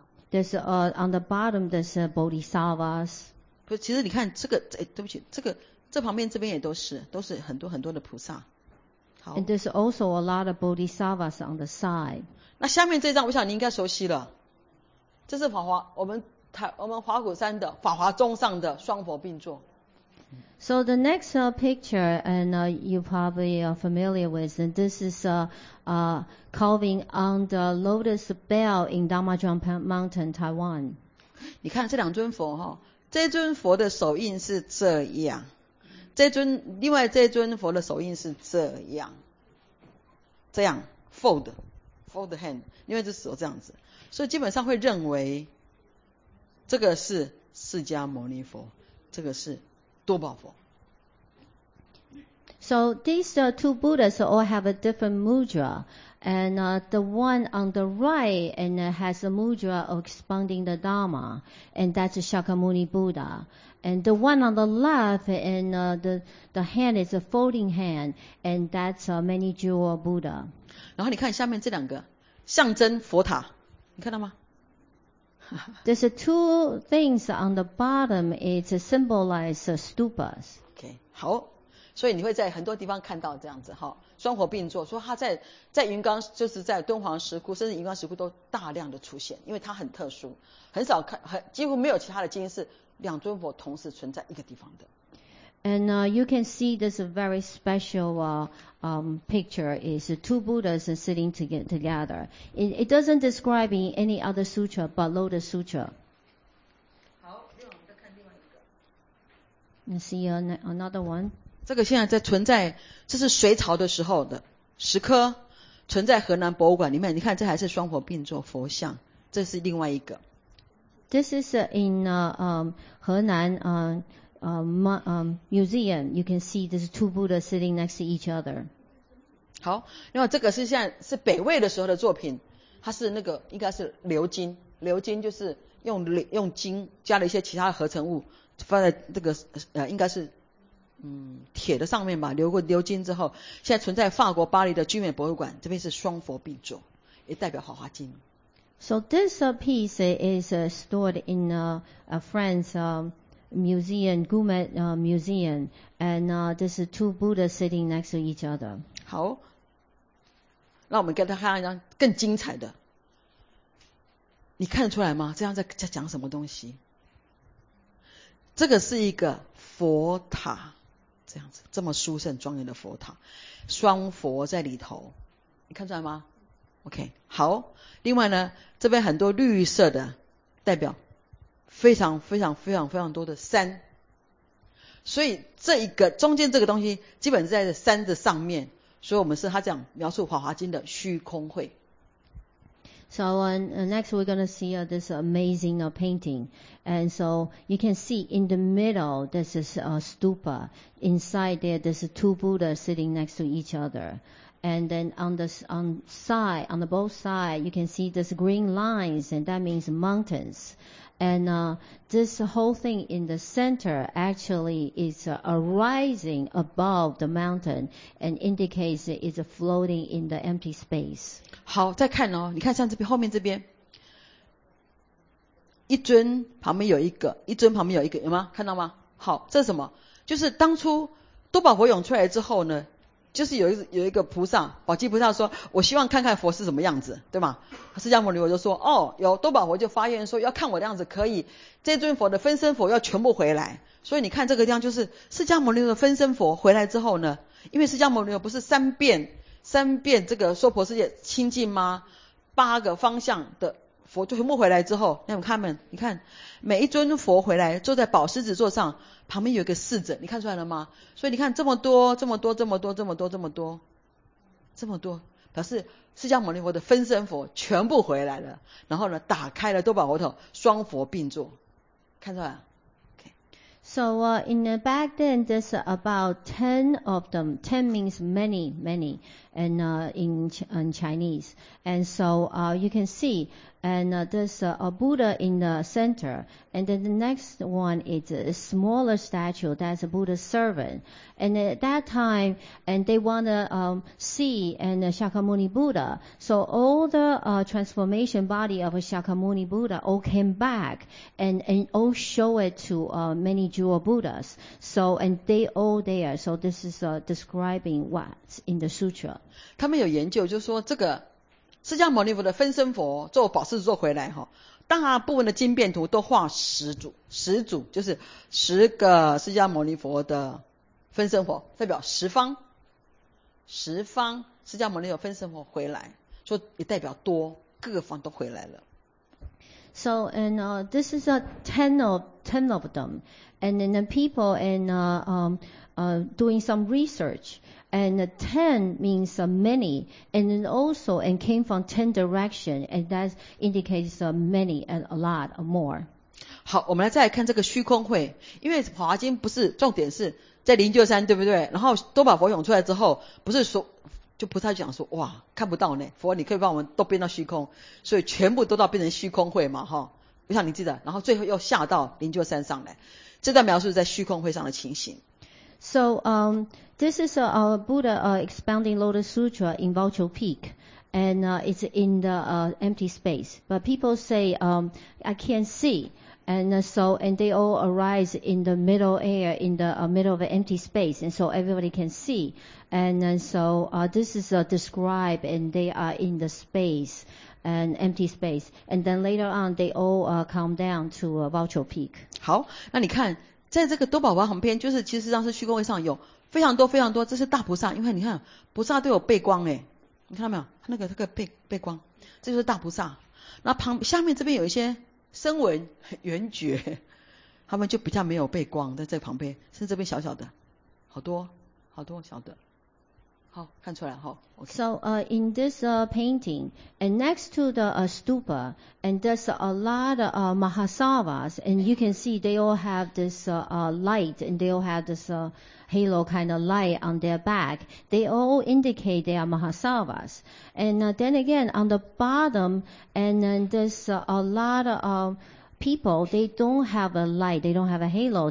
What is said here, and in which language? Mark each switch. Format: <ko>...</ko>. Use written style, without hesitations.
<en>There's on the bottom, there's bodhisattvas.</en> <zh>不，其实你看这个，哎，对不起，这个这旁边这边也都是很多很多的菩萨。好</zh> <en>，and there's also a lot of bodhisattvas on the side.</en> <zh>那下面这张，我想你应该熟悉了。这是法华，我们华鼓山的法华宗上的双佛并坐。</zh> <en>So the next picture, and you probably are familiar with, and this is carving on the lotus bell in Damajuan Mountain, Taiwan.</en> <zh>你看这两尊佛哈，这尊佛的手印是这样，这尊另外这尊佛的手印是这样，这样</zh> <en>fold hand，</en> <zh>因为这手这样子，所以基本上会认为这个是释迦牟尼佛，这个是。</zh> <en>So these two Buddhas all have a different mudra, and the one on the right and has a mudra of expounding the Dharma, and that's Shakyamuni Buddha. And the one on the left and the hand is a folding hand, and that's Many Jewel Buddha.</en> <zh>然后你看下面这两个象征佛塔，你看到吗？</zh> <en>There's two things on the bottom. It symbolizes stupas.</en> <zh>Okay, 好，所以你会在很多地方看到这样子哈，双佛并坐，说他在云冈，就是在敦煌石窟，甚至云冈石窟都大量的出现，因为它很特殊，很少看，很几乎没有其他的经是两尊佛同时存在一个地方的。</zh> <en>And you can see this very special picture is two Buddhas sitting together. It doesn't describe in any other sutra but Lotus Sutra.</en> <zh>好，另外我们再看另外一个。</zh> <en>Let's see another one.</en> <zh>这个现在在存在，这是隋朝的时候的石刻，存在河南博物馆里面。你看，这还是双佛并坐佛像，这是另外一个。</zh> <en>This is in 河南museum, you can see there's two Buddhas sitting next to each other.</en> <zh>好，因为这个是现在是北魏的时候的作品，它是那个应该是鎏金，鎏金就是用金加了一些其他的合成物放在这个应该是铁的上面吧，流过鎏金之后，现在存在法国巴黎的聚美博物馆，这边是双佛并坐，也代表华华经。</zh> <en>So this piece is stored in a France. Museum, Gourmet Museum, and there's two Buddhas sitting next to each other.</en> <zh>好，那我们给他看一张更精彩的。你看得出来吗？这样在讲什么东西？这个是一个佛塔，这样子这么殊胜庄严的佛塔，双佛在里头，你看出来吗 ？OK， 好。另外呢，这边很多绿色的代表。非常非常非常非常多的山，所以这一个中间这个东西基本是在山的上面，所以我们是他这样描述《华华经》的虚空会。</zh> <en>So next we're going to see this amazing painting, and so you can see in the middle this is a stupa. Inside there, there's two Buddha sitting next to each other. And then on the both side, you can see this green lines, and that means mountains. And this whole thing in the center actually is arising above the mountain and indicates it is floating in the empty space.</en> <zh>好，再看哦，你看像这边后面这边，一尊旁边有一个，一尊旁边有一个，有吗？看到吗？好，这是什么？就是当初多宝佛涌出来之后呢？就是有一个菩萨，宝鸡菩萨说，我希望看看佛是什么样子，对吗？释迦牟尼佛就说，哦，有多宝佛就发愿说，要看我的样子可以，这尊佛的分身佛要全部回来。所以你看这个地方，就是释迦牟尼佛的分身佛回来之后呢，因为释迦牟尼佛不是三遍这个娑婆世界清净吗？八个方向的佛就全部回来之后，那你们看们，你看每一尊佛回来坐在宝狮子座上。旁边有一个侍者，你看出来了吗？所以你看这么多，这么多，这么多，这么多，这么多，这么多，表示释迦牟尼佛的分身佛全部回来了，然后呢，打开了多宝佛头，双佛并坐，看出来了。</zh> <en>So in the back then, there's about 10 of them. 10 means many, many, and in Chinese. And so you can see, and there's a Buddha in the center. And then the next one is a smaller statue. That's a Buddha's servant. And at that time, and they want to see and Shakyamuni Buddha. So all the transformation body of a Shakyamuni Buddha all came back and all show it to many Jewel Buddhas, so and they all there. So this is describing what's in the sutra.</en> <zh>他们有研究，就是说这个释迦牟尼佛的分身佛坐宝狮子座回来哈，大部分的经变图都画十组，十组就是十个释迦牟尼佛的分身佛，代表十方，十方释迦牟尼佛分身佛回来，所以也代表多，各方都回来了。</zh> <en>So, and, this is a ten of them. And then the people, and, doing some research. And ten means many. And then also, and came from ten directions. And that indicates many and a lot more.</en> <zh>好，我们来再来看这个虚空会。因为华经不是重点是在灵鹫山，对不对？然后多宝佛涌出来之后，不是说就菩萨讲说，哇，看不到呢，佛，你可以把我们都变到虚空，所以全部都到变成虚空会嘛，哈，我想你记得，然后最后又下到灵鹫山上来，这段描述在虚空会上的情形。</zh> <en>So, this is a Buddha expounding Lotus Sutra in Vulture Peak, and it's in the empty space. But people say, I can't see, and so and they all arise in the middle air, in the middle of an empty space, and so everybody can see. And then so, this is described and they are in the space, an empty space. And then later on, they all, come down to a Vulture Peak.</en> <zh>好，那你看，在这个多宝宝旁边，就是其实上是虚空位上有非常多非常多，这是大菩萨，因为你看，菩萨都有背光诶。你看到没有？那个背光，这就是大菩萨。那旁，下面这边有一些声闻、缘觉，他们就比较没有背光在这旁边，甚至这边小小的，好多，好多小的。好，看出来哈。</zh> <en>Okay. So, in this painting, and next to the stupa, and there's a lot of mahasavas, and you can see they all have this light, and they all have this halo kind of light on their back. They all indicate they are mahasavas. And then again, on the bottom, and then there's a lot of people, they don't have a light, they don't have a halo.</en>